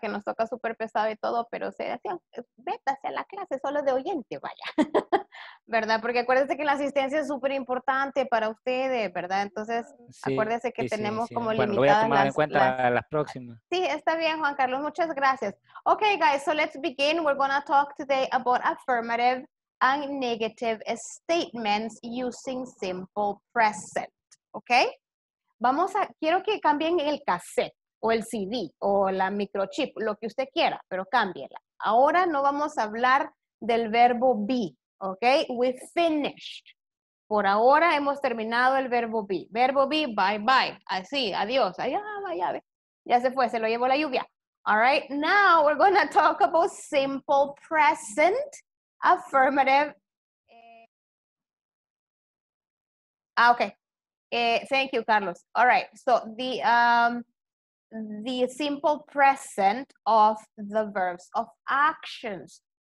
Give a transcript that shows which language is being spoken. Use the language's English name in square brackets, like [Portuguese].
[Spanish] Que nos toca súper pesado y todo, pero vete a la clase solo de oyente, vaya. ¿Verdad? Porque acuérdese que la asistencia es súper importante para ustedes, ¿verdad? Entonces, sí, acuérdese que tenemos como limitadas las... Bueno, lo voy a tomar en cuenta a las próximas. Sí, está bien, Juan Carlos. Muchas gracias. [English] Okay, guys, so let's begin. We're going to talk today about affirmative and negative statements using simple present, ¿okay? [Spanish] Quiero que cambien el cassette. O el CD, o la microchip, lo que usted quiera, pero cámbiela. Ahora no vamos a hablar del verbo be, ¿ok? [English] We finished. [Spanish] Por ahora hemos terminado el verbo be. Verbo be, bye bye. Así, adiós. Allá, vaya, ya se fue, se lo llevó la lluvia. [English] All right, now we're going to talk about simple present, affirmative. Thank you, Carlos. All right, so the simple present of the verbs of actions.